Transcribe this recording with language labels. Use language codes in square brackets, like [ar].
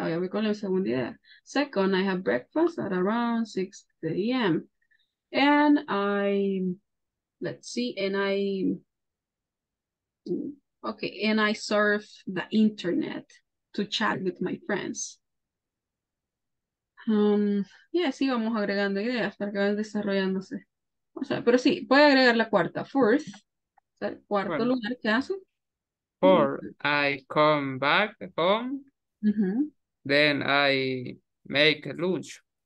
[es] Ahora voy con la segunda idea. [en] Second, I have breakfast at around 6 a.m. And I, let's see, and I, okay, and I surf the internet to chat with my friends. [es] Yeah, sí, vamos agregando ideas para que vayan desarrollándose. O sea, pero sí, voy a agregar la cuarta, fourth. O sea, cuarto bueno. Lugar, ¿qué hace? [en] Four, I come back home, then I make lunch.